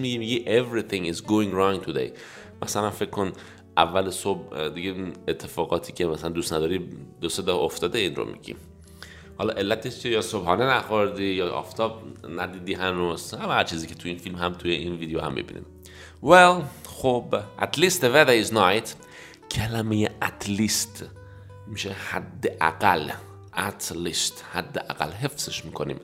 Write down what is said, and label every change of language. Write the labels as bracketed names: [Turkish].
[Persian] چی میگیم؟ میگی [English] everything is going wrong today. [Persian] مثلا فکر کن اول صبح دیگه اتفاقاتی که مثلا دوست نداری دو سه دفعه افتاده، این رو میگی. حالا علتش چیه؟ یا صبحانه نخوردی یا آفتاب ندیدی هنوز، هم هر چیزی که تو این فیلم هم توی این ویدیو هم میبینیم. [English] Well, خب at least the weather is night. [Persian] کلمه at least میشه حداقل. At least حداقل حفظش میکنیم.